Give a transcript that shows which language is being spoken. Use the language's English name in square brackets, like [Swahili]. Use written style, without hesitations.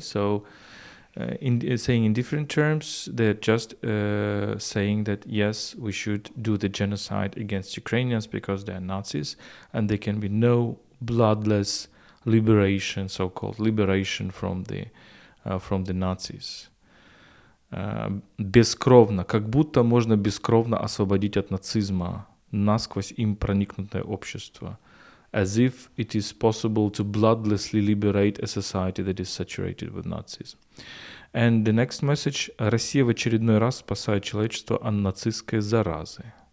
[English] So saying in different terms, they're just saying that, yes, we should do the genocide against Ukrainians because they're Nazis, and there can be no bloodless liberation, so-called liberation from the Nazis. [Russian] Бескровно, как будто можно бескровно освободить от нацизма. Насквозь им проникнутое общество. [English] As if it is possible to bloodlessly liberate a society that is saturated with Nazism. And the next message. [Russian] Россия в очередной раз спасает человечество от нацистской заразы.